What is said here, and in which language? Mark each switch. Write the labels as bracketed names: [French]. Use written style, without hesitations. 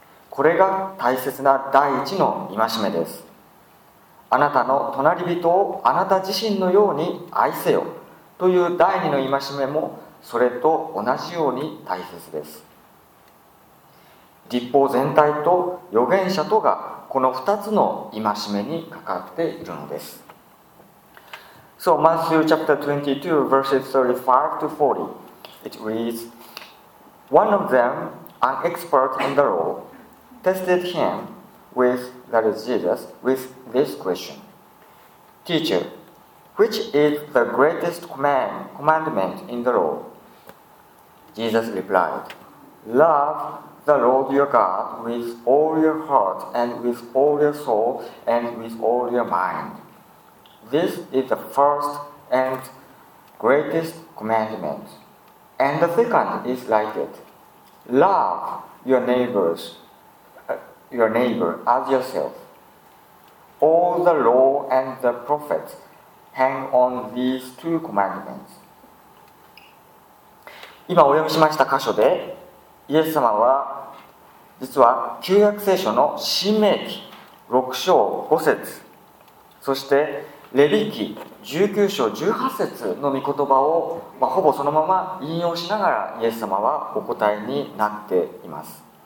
[Japanese] これが大切な第一の戒めです。あなたの隣人をあなた自身のように愛せよ、という第二の戒めもそれと同じように大切です。律法全体と預言者とがこの二つの戒めにかかっているのです。 [English] So Matthew chapter 22 verses 35 to 40, it reads, One of them, an expert in the law, tested him with, that is Jesus, with this question. Teacher, which is the greatest commandment in the law? Jesus replied, Love the Lord your God with all your heart and with all your soul and with all your mind. This is the first and greatest commandment. And the second is like it. Love your neighbors, your neighbor as yourself. All the law and the prophets hang on these two commandments. [Japanese] 今お読みしました箇所で、イエス様は実は旧約聖書の申命記6章5節、そしてレビ記19章18節の御言葉を、まあ、ほぼそのまま引用しながらイエス様はお答えになっています。